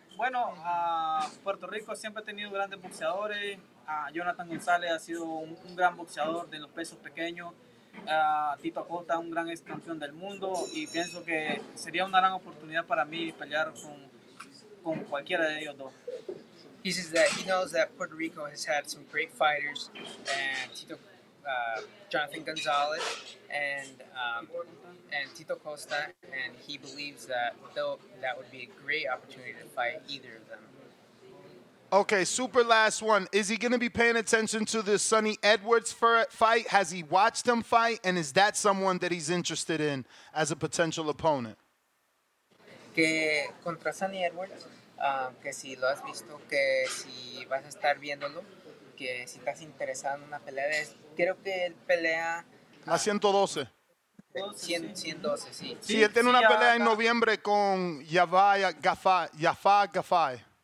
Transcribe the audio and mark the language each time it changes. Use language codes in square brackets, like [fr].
[es] Bueno, Puerto Rico siempre ha tenido grandes boxeadores. Jonathan González ha sido un gran boxeador de los pesos pequeños. Tito Acosta, un gran ex campeón del mundo. Y pienso que sería una gran oportunidad para mí pelear con cualquiera de ellos dos. [en] He says that he knows that Puerto Rico has had some great fighters, and Tito, Jonathan Gonzalez, and Tito Acosta, and he believes that that would be a great opportunity to fight either of them. Okay, super last one. Is he going to be paying attention to the Sonny Edwards fight? Has he watched him fight, and is that someone that he's interested in as a potential opponent? [es] Que contra Sonny Edwards. Que si lo has visto, que si vas a estar viéndolo, que si estás interesado en una pelea de... Creo que él pelea... La 112. 112, sí. Sí, él tiene una pelea en noviembre con Yafai.